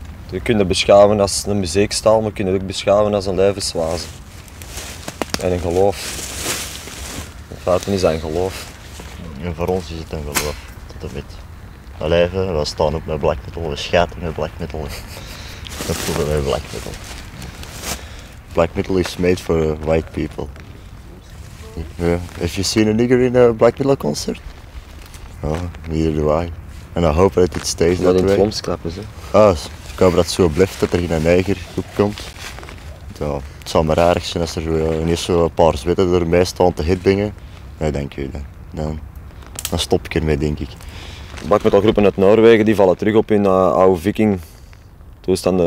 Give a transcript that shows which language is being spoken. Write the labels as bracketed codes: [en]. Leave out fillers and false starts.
[nl] Je kunt het beschouwen als een muziekstaal, maar je kunt het ook beschouwen als een levenswaze. En een geloof. In feite is dat een geloof. En voor ons is het een geloof, tot en met. Leven, we staan op met black metal, we schijten met black metal. We voelen met black metal. [en] Black metal is made for white people. Have you seen a nigger in a black metal concert? Oh, neither do I. And I hope that it stays that way. [nl] Dat in het Vlaams klappen, hè? Ik hoop dat het zo blijft dat er geen neger op komt. Ja, het zou maar raar zijn als er ineens zo een paar zwitten door mij staan te hitdingen. Nee, denk je dan. Dan stop ik ermee, denk ik. Black metal groepen uit Noorwegen die vallen terug op hun oude viking toestanden.